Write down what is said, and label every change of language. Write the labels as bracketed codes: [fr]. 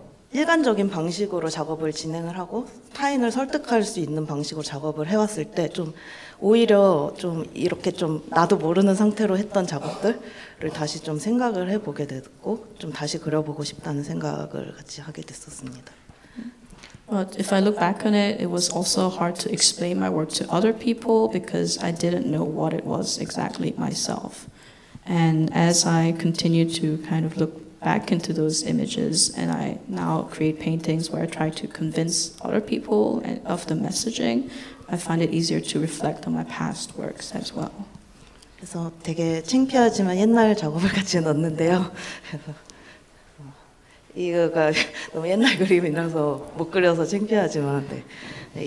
[ko] 일관적인 방식으로 작업을 진행을 하고 타인을 설득할 수 있는 방식으로 작업을 해왔을 때 좀 오히려 좀 이렇게 좀 나도 모르는 상태로 했던 작업들을 다시 좀 생각을 해보게 됐고 좀 다시 그려보고 싶다는 생각을 같이 하게 됐었습니다. [en] But if I look back on it, it was also hard to explain my work to other people because I didn't know what it was exactly myself. And as I continue to kind of look back into those images, and I now create paintings where I try to convince other people of the messaging, I find it easier to reflect on my past works as well. [ko] 그래서 되게 창피하지만 옛날 작업을 같이 넣었는데요. 이거가 너무 옛날 그림이라서 못 그려서 창피하지만 네.